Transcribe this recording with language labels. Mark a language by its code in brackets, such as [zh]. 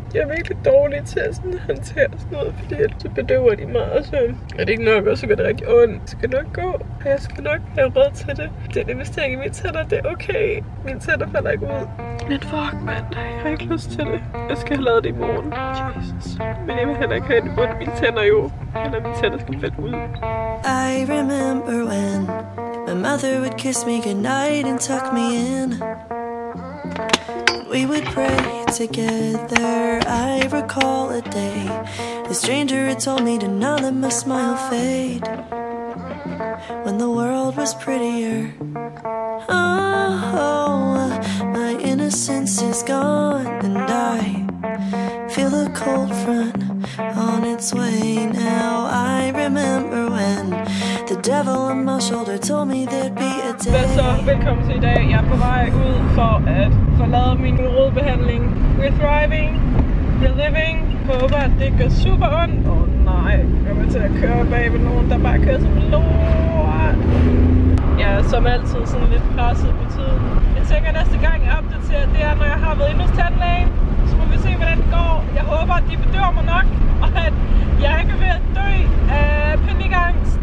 [da] Jeg er virkelig dårlig til at sådan håndtere sådan noget, fordi så bedøver de mig. Og så er det ikke nok, og så gør det rigtig ondt. Det skal nok gå. Jeg skal nok have råd til det. Det er en investering i mine tænder. Det er okay. Mine tænder falder ikke ud. Men fuck, mand. Jeg har ikke lyst til det. Jeg skal have lavet det i morgen. Jesus. Men jeg vil heller ikke have det ondt. Mine tænder jo. Eller mine tænder skal falde ud. [en] I remember when my mother would kiss me goodnight and tuck me in. We would pray together. I recall a day the stranger had told me to not let my smile fade, when the world was prettier. Oh, my innocence is gone, and I feel a cold front on its way. Now I remember when the devil on my shoulder told me there'd be a day. [da] Hvad så? Velkommen til i dag. Jeg er på vej ud for at forlade min rodbehandling. [en] We're thriving, we're living. [da] Håber at det går super ondt. Åh oh, nej, jeg kommer til at køre bag ved nogen, der bare kører som lort. Jeg er som altid sådan lidt presset på tiden. Jeg tænker næste gang jeg opdaterer, det er når jeg har været inde hos tandlægen. Så må vi se hvordan det går. Jeg håber at de bedøver mig nok, og at jeg ikke er ved at dø af panikangst.